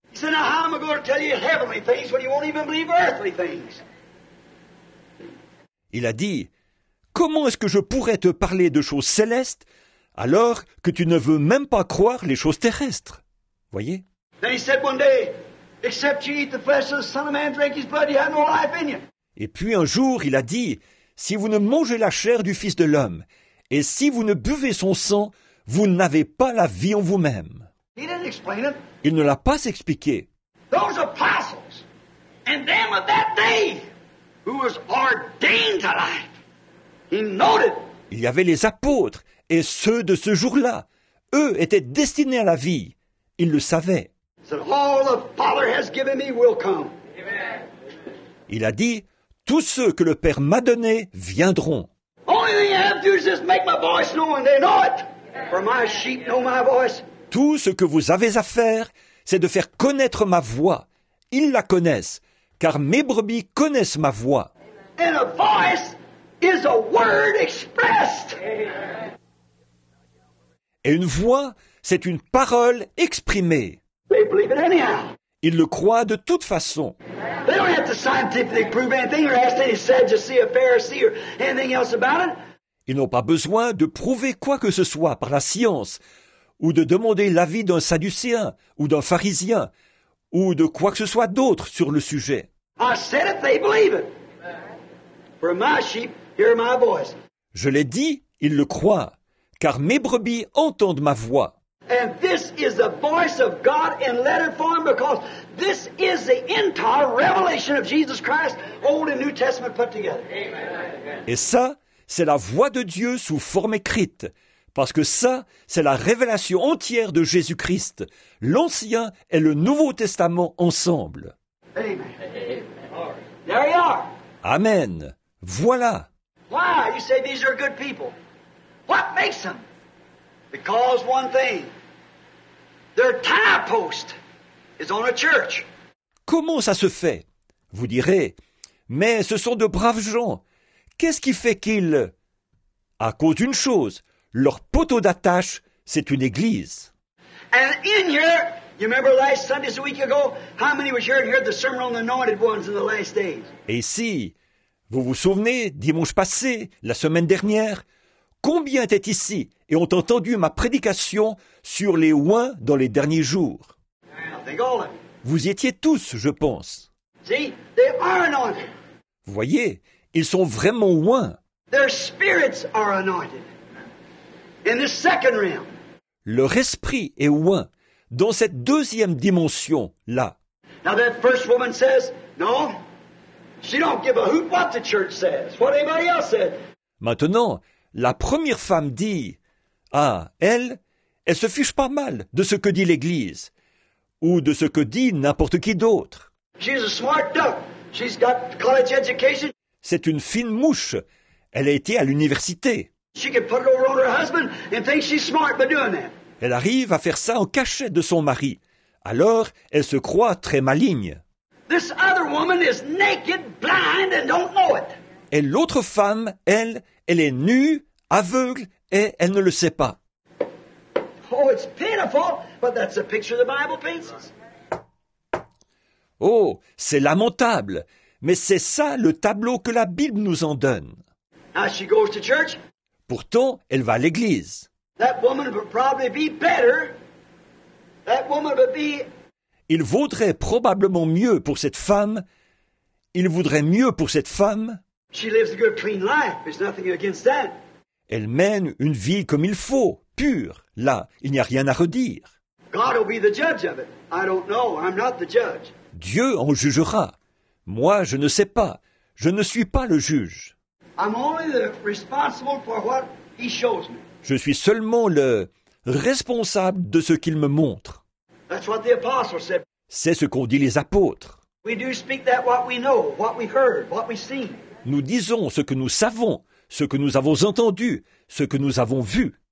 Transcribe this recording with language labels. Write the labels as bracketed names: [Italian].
[English] He said, now how am I going to tell you heavenly things when you won't even believe earthly things? [French] Il a dit, comment est-ce que je pourrais te parler de choses célestes alors que tu ne veux même pas croire les choses terrestres? Voyez? [English] Then he said one day, except you eat the flesh of the Son of Man, drink his blood, you have no life in you. [French] Et puis un jour, il a dit, si vous ne mangez la chair du Fils de l'homme et si vous ne buvez son sang, vous n'avez pas la vie en vous-même. [English] He didn't explain it. [French] Il ne l'a pas expliqué. [English] Those apostles and them of that day who was ordained to life. He noted. [French] Il y avait les apôtres et ceux de ce jour-là. Eux étaient destinés à la vie. Il le savait. [English] So all the Father has given me will come. Amen. [French] Il a dit, tous ceux que le Père m'a donné viendront. [English] Only thing I have to do is just make my voice known and they know it. For my sheep know my voice. [French] Tout ce que vous avez à faire, c'est de faire connaître ma voix. Ils la connaissent, car mes brebis connaissent ma voix. [English] And a voice is a word expressed. [French] Et une voix, c'est une parole exprimée. [English] They believe it anyhow. [French] Ils le croient de toute façon. [English] They don't have to scientifically prove anything or ask any Sadducee or Pharisee or anything else about it. [French] Ils n'ont pas besoin de prouver quoi que ce soit par la science ou de demander l'avis d'un sadducéen ou d'un pharisien ou de quoi que ce soit d'autre sur le sujet. [English] I said it, they believe it. For my sheep hear my voice. [French] Je l'ai dit, ils le croient, car mes brebis entendent ma voix. [English] And this is the voice of God in letter form because this is the entire revelation of Jesus Christ, Old and New Testament put together. Amen. [French] Et ça, c'est la voix de Dieu sous forme écrite, parce que ça, c'est la révélation entière de Jésus-Christ, l'Ancien et le Nouveau Testament ensemble. [English] Amen. There you are. [French] Amen. Voilà. [English] Why? You say these are good people. What makes them? Because one thing, their tie post is on a church. [French] Comment ça se fait? Vous direz, mais ce sont de braves gens. Qu'est-ce qui fait qu'ils... À cause d'une chose, leur poteau d'attache, c'est une église. [English] And in here, you remember last Sunday, a week ago, how many was here and heard the sermon on the anointed ones in the last days? [French] Et si, vous vous souvenez, dimanche passé, la semaine dernière, combien étaient ici et ont entendu ma prédication sur les oints dans les derniers jours? Vous y étiez tous, je pense. [English] See, they are anointed. [French] Voyez, ils sont vraiment oints. [English] Their spirits are anointed in the second realm. [French] Leur esprit est oint dans cette deuxième dimension là. [English] Now that first woman says, no, she don't give a hoot what the church says, what anybody else said. [French] Maintenant, la première femme dit, ah, elle se fiche pas mal de ce que dit l'Église ou de ce que dit n'importe qui d'autre. [English] She's a smart duck. She's got college education. [French] C'est une fine mouche. Elle a été à l'université. [English] She can put it over on her husband and think she's smart by doing that. [French] Elle arrive à faire ça en cachette de son mari. Alors, elle se croit très maligne. [English] This other woman is naked, blind and don't know it. [French] Et l'autre femme, elle est nue, aveugle et elle ne le sait pas. [English] Oh, it's pitiful, but that's a picture the Bible paints. [French] Oh, c'est lamentable, mais c'est ça le tableau que la Bible nous en donne. [English] Now she goes to church. [French] Pourtant, elle va à l'église. [English] That woman would probably be better. That woman would be... [French] Il vaudrait probablement mieux pour cette femme. Il voudrait mieux pour cette femme. [English] She lives a good, clean life. There's nothing against that. [French] Elle mène une vie comme il faut, pure. Là, il n'y a rien à redire. [English] God will be the judge of it. I don't know. I'm not the judge. [French] Dieu en jugera. Moi, je ne sais pas. Je ne suis pas le juge. [English] I'm only the responsible for what he shows me. [French] Je suis seulement le responsable de ce qu'il me montre. [English] That's what the apostles said. [French] C'est ce qu'ont dit les apôtres. [English] We do speak that what we know, what we heard, what we seen. [French] Nous disons ce que nous savons, ce que nous avons entendu, ce que nous avons vu.